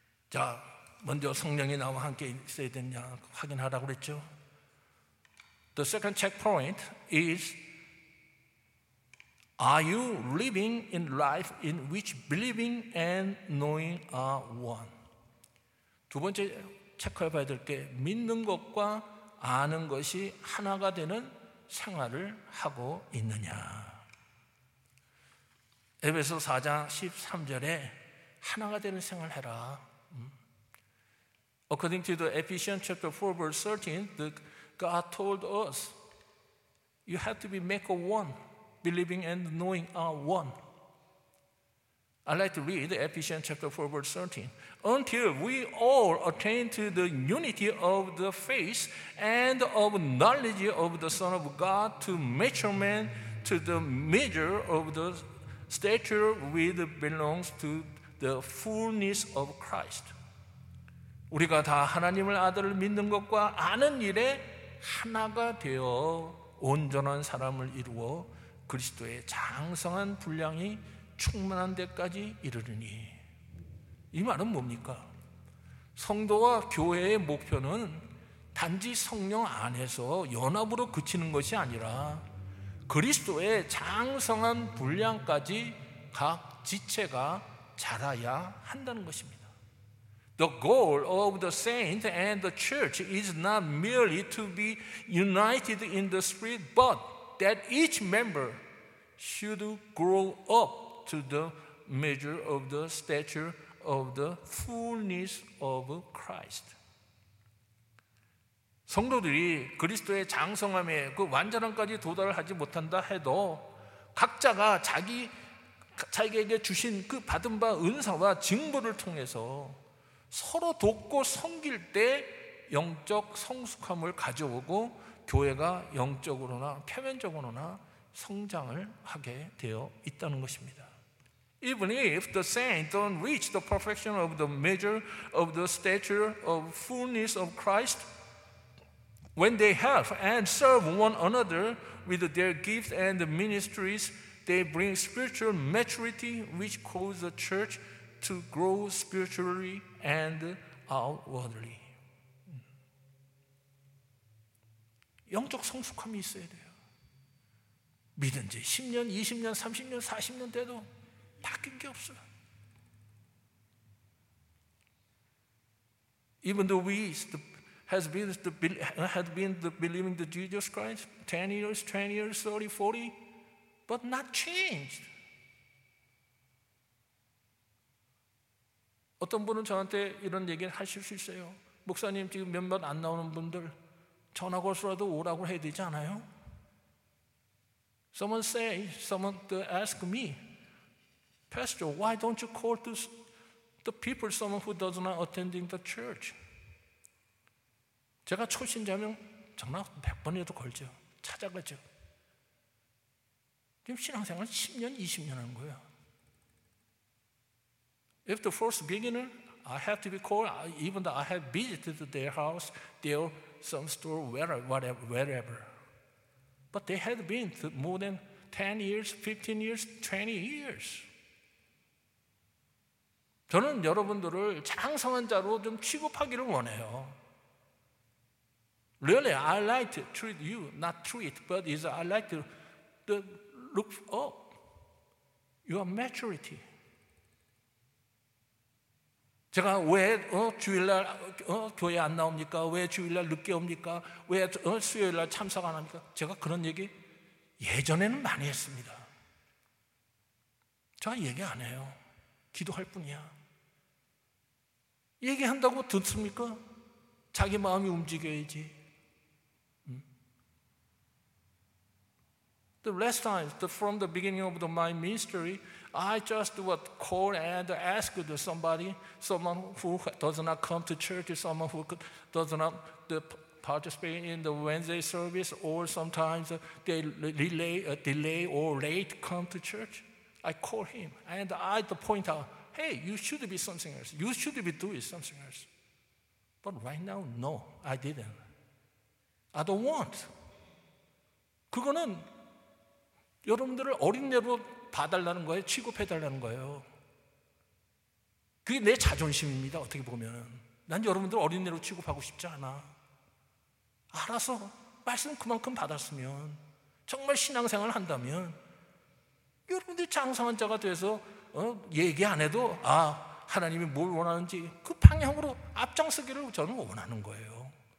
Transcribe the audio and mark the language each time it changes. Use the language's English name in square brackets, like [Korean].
[Korean] 자, 먼저 성령이 나와 함께 있어야 되냐 확인하라고 그랬죠. [English] The second checkpoint is, Are you living in life in which believing and knowing are one? [Korean] 두 번째 체크해봐야 될 게, 믿는 것과 아는 것이 하나가 되는 생활을 하고 있느냐. 에베소 4장 13절에 하나가 되는 생활을 해라. [English] According to the Ephesians chapter 4, verse 13, God told us, you have to be make a one, believing and knowing are one. I'd like to read Ephesians chapter 4, verse 13. Until we all attain to the unity of the faith and of knowledge of the Son of God, to mature man, to the measure of the stature which belongs to the fullness of Christ. [Korean] 우리가 다 하나님을 아들을 믿는 것과 아는 일에 하나가 되어 온전한 사람을 이루어 그리스도의 장성한 분량이 충만한 데까지 이르리니. 이 말은 뭡니까? 성도와 교회의 목표는 단지 성령 안에서 연합으로 그치는 것이 아니라 그리스도의 장성한 분량까지 각 지체가 자라야 한다는 것입니다. [English] The goal of the saint and the church is not merely to be united in the spirit, but that each member should grow up to the measure of the stature of the fullness of Christ. [Korean] 성도들이 그리스도의 장성함에 그 완전함까지 도달하지 못한다 해도 각자가 자기에게 주신 그 받은 바 은사와 직무를 통해서 서로 돕고 섬길 때 영적 성숙함을 가져오고 교회가 영적으로나 표면적으로나 성장을 하게 되어 있다는 것입니다. [English] Even if the saint don't reach the perfection of the measure of the stature of fullness of Christ, when they help and serve one another with their gifts and ministries, they bring spiritual maturity which causes the church to grow spiritually and outwardly. [Korean] 영적 성숙함이 있어야 돼요. 믿은 지 10년, 20년, 30년, 40년 돼도 바뀐 게 없어요. [English] Even though we had been believing the Jesus Christ 10 years, 20 years, 30, 40, but not changed. [Korean] 어떤 분은 저한테 이런 얘기를 하실 수 있어요. 목사님, 지금 몇몇 안 나오는 분들 전화 걸어서라도 오라고 해야 되지 않아요? [English] Someone asked me, Pastor, why don't you call the people, someone who does not attending the church? [Korean] 제가 초신자면 전화 100번이라도 걸죠. 찾아가죠. 지금 신앙생활 10년, 20년 한 거예요. [English] If the first beginner, I have to be called, even though I have visited their house, their some store, wherever. But they had been more than 10 years, 15 years, 20 years. [Korean] 저는 여러분들을 장성한 자로 좀 취급하기를 원해요. [English] Really, I like to treat you, not treat, but is I like to look up your maturity. [Korean] 제가 왜 주일날 교회 안 나옵니까? 왜 주일날 늦게 옵니까? 왜 수요일날 참석 안 합니까? 제가 그런 얘기 예전에는 많이 했습니다. 제가 얘기 안 해요. 기도할 뿐이야. 얘기한다고 듣습니까? 자기 마음이 움직여야지. [English] The last time, from the beginning of my ministry, I just would call and ask somebody, someone who does not come to church, someone who does not participate in the Wednesday service, or sometimes they delay or late come to church. I call him and I point out, hey, you should be something else. You should be doing something else. But right now, no, I didn't. I don't want. [Korean] 그거는 여러분들을 어린애로 봐달라는 거예요? 취급해달라는 거예요? 그게 내 자존심입니다, 어떻게 보면. 난 여러분들 어린애로 취급하고 싶지 않아. 알아서 말씀 그만큼 받았으면, 정말 신앙생활 한다면 여러분들이 장성한 자가 돼서 얘기 안 해도 아 하나님이 뭘 원하는지 그 방향으로 앞장서기를 저는 원하는 거예요.